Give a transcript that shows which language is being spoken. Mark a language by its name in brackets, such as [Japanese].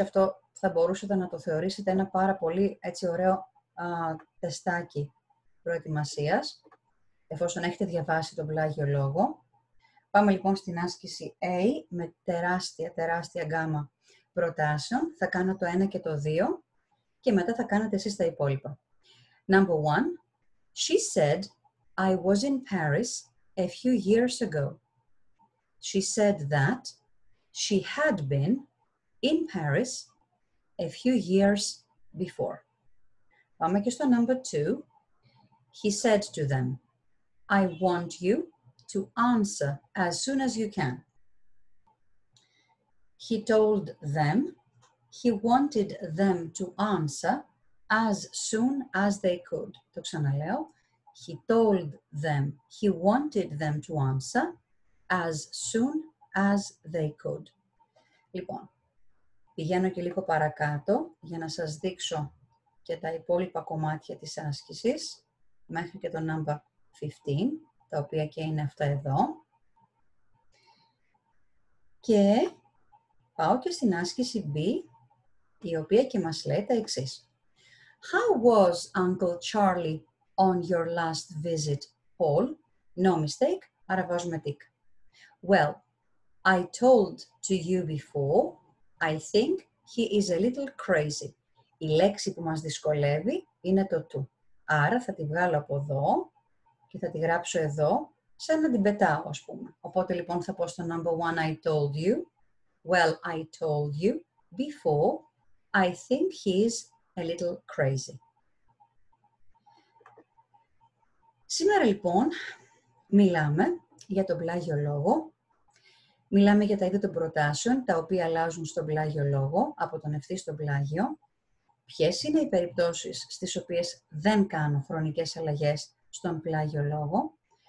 [Greek] Αυτό θα μπορούσατε να το θεωρήσετε ένα πάρα πολύ έτσι ωραίο τεστάκι προετοιμασίας, εφόσον έχετε διαβάσει τον πλάγιο λόγο. Πάμε λοιπόν στην άσκηση A με τεράστια γκάμα προτάσεων. Θα κάνω το 1 και το 2 και μετά θα κάνετε εσείς τα υπόλοιπα. Number 1. [English] She said I was in Paris a few years ago. She said that she had been in Paris a few years before. [Greek] Πάμε και στο number 2. [English] He said to them, I want you to answer as soon as you can. He told them he wanted them to answer as soon as they could. [Greek] Το ξαναλέω. [English] He told them he wanted them to answer as soon as they could. [Greek] Λοιπόν, πηγαίνω και λίγο παρακάτω για να σας δείξω και τα υπόλοιπα κομμάτια της άσκησης, μέχρι και το number 15, τα οποία και είναι αυτά εδώ. Και πάω και στην άσκηση B, η οποία και μας λέει τα εξής. [English] How was Uncle Charlie on your last visit, Paul? No mistake, [Greek] άρα βάζουμε [English] tick. Well, I told to you before, I think he is a little crazy. [Greek] Η λέξη που μας δυσκολεύει είναι το του. Άρα θα τη βγάλω από εδώ και θα τη γράψω εδώ, σαν να την πετάω, ας πούμε. Οπότε λοιπόν θα πω στο number one, [English] I told you. Well, I told you before, I think he is a little crazy. [Greek] Σήμερα λοιπόν μιλάμε για τον πλάγιο λόγο. Μιλάμε για τα είδη των προτάσεων, τα οποία αλλάζουν στον πλάγιο λόγο, από τον ευθύ στον πλάγιο. Ποιες είναι οι περιπτώσεις στις οποίες δεν κάνω χρονικές αλλαγές στον πλάγιο λόγο.